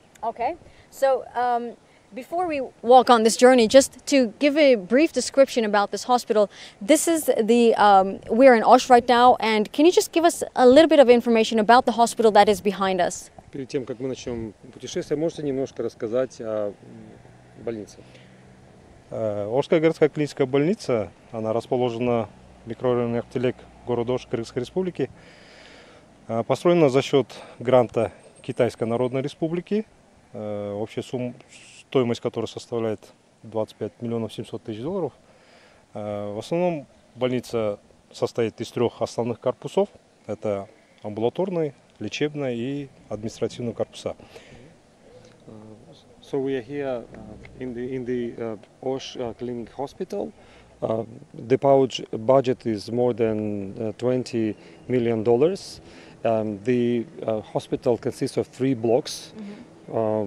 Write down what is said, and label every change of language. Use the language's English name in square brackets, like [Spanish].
[English] Okay, so before we walk on this journey, just to give a brief description about this hospital. This is the we're in Osh right now, and can you just give us a little bit of information about the hospital that is behind us? [Russian] Перед тем как мы начнем путешествие, можете немножко рассказать о больнице. Ошская городская клиническая больница, она расположена в микрорайоне Актилек, город Ош, Кыргызской Республики. Построена за счет гранта Китайской Народной Республики, общая сумма, стоимость которой составляет 25 миллионов 700 тысяч долларов. В основном больница состоит из трех основных корпусов. Это амбулаторный, лечебный и административный корпуса. [English] So we are here in the Osh Clinic Hospital. The pouch budget is more than 20 million dollars. The hospital consists of three blocks, mm-hmm.